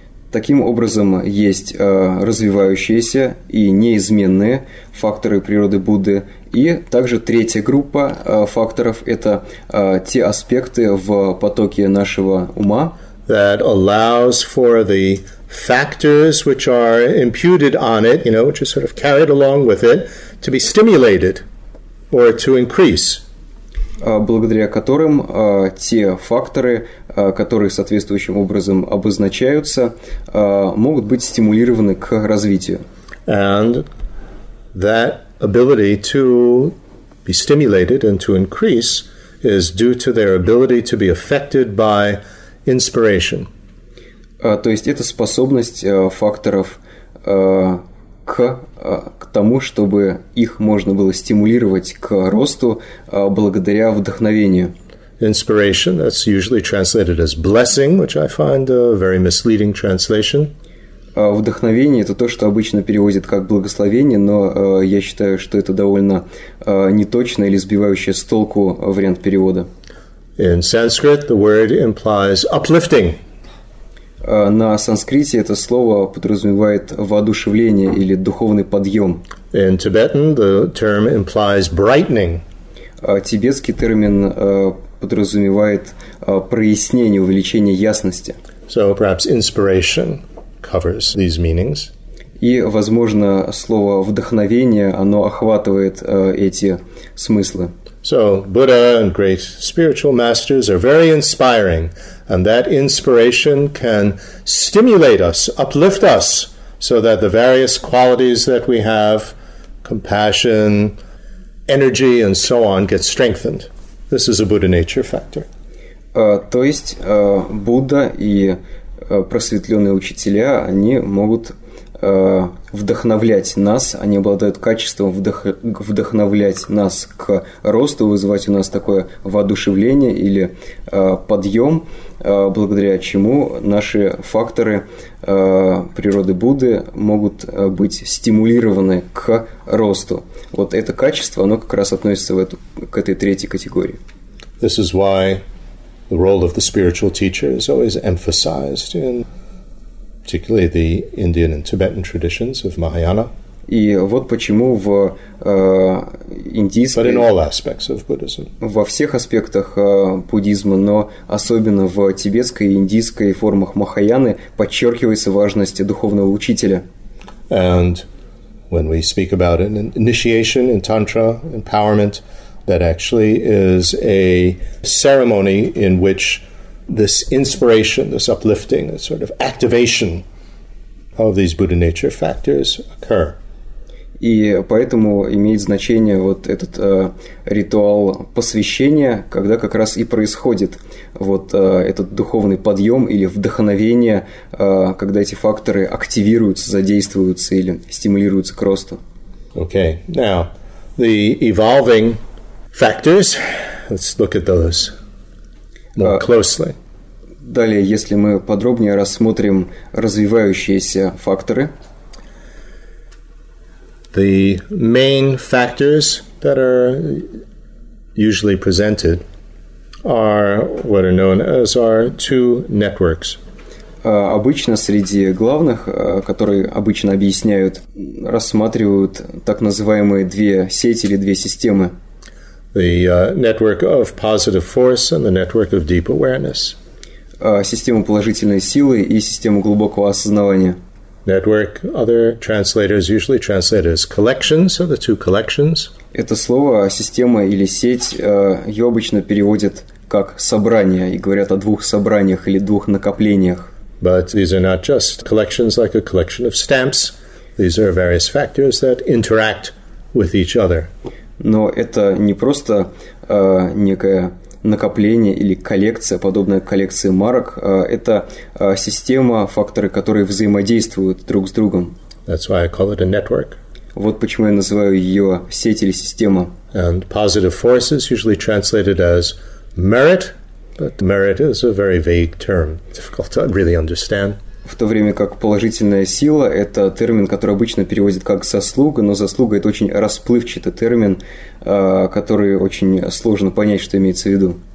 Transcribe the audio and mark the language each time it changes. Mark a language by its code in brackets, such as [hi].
[ru] Таким образом, есть развивающиеся и неизменные факторы природы Будды. И также третья группа факторов – это те аспекты в потоке нашего ума. [en] That allows for the factors which are imputed on it, you know, which are sort of carried along with it, to be stimulated or to increase. [ru] Благодаря которым те факторы, которые соответствующим образом обозначаются, могут быть стимулированы к развитию. [en] And that ability to be stimulated and to increase is due to their ability to be affected by inspiration. [ru] То есть это способность факторов к тому, чтобы их можно было стимулировать к росту благодаря вдохновению. [en] Inspiration, that's usually translated as blessing, which I find a very misleading translation. [ru] Вдохновение – это то, что обычно переводят как благословение, но я считаю, что это довольно неточно или сбивающее с толку вариант перевода. [en] In Sanskrit, the word implies uplifting. [ru] На санскрите это слово подразумевает воодушевление или духовный подъем. [en] In Tibetan, the term implies brightening. [ru] Тибетский термин подразумевает прояснение, увеличение ясности. [en] So perhaps inspiration covers these meanings. [ru] И, возможно, слово вдохновение, оно охватывает эти смыслы. [en] So Buddha and great spiritual masters are very inspiring, and that inspiration can stimulate us, uplift us, so that the various qualities that we have, compassion, energy, and so on, get strengthened. This is a Buddha nature factor. [ru] То есть Будда и просветленные учителя, они могут вдохновлять нас, они обладают качеством вдохновлять нас к росту, вызывать у нас такое воодушевление или подъем, благодаря чему наши факторы природы Будды могут быть стимулированы к росту. Вот это качество, оно как раз относится к этой третьей категории. [en] This is why the role of the spiritual teacher is always emphasized in particularly the Indian and Tibetan traditions of Mahayana. [ru] И вот почему в индийской... [en] But in all aspects of Buddhism. [ru] Во всех аспектах буддизма, но особенно в тибетской и индийской формах Махаяны подчеркивается важность духовного учителя. [en] And when we speak about an initiation in Tantra, empowerment, that actually is a ceremony in which this inspiration, this uplifting, this sort of activation of these Buddha nature factors occur. [ru] И поэтому имеет значение вот этот ритуал посвящения, когда как раз и происходит вот этот духовный подъем или вдохновение, когда эти факторы активируются, задействуются или стимулируются к росту. [en] Okay, now, the evolving factors, let's look at those more closely. [ru] Далее, если мы подробнее рассмотрим развивающиеся факторы. [en] The main factors that are usually presented are what are known as our two networks. [ru] Обычно среди главных, которые обычно объясняют, рассматривают так называемые две сети или две системы. [en] The network of positive force and the network of deep awareness. [ru] Систему положительной силы и систему глубокого осознавания. [en] Network, other translators usually translate as collections, so the two collections. [ru] Это слово «система» или «сеть» ее обычно переводят как «собрание» и говорят о двух собраниях или двух накоплениях. [en] But these are not just collections like a collection of stamps. These are various factors that interact with each other. [ru] Но это не просто некое накопление или коллекция, подобная коллекции марок, это система, факторы, которые взаимодействуют друг с другом. [en] That's why I call it a network. [ru] Вот почему я называю ее сеть или система. [en] And positive force is usually translated as merit, but merit is a very vague term, difficult to really understand. [ru] В то время как положительная сила – это термин, который обычно переводят как «заслуга», но «заслуга» – это очень расплывчатый термин, который очень сложно понять, что имеется в виду.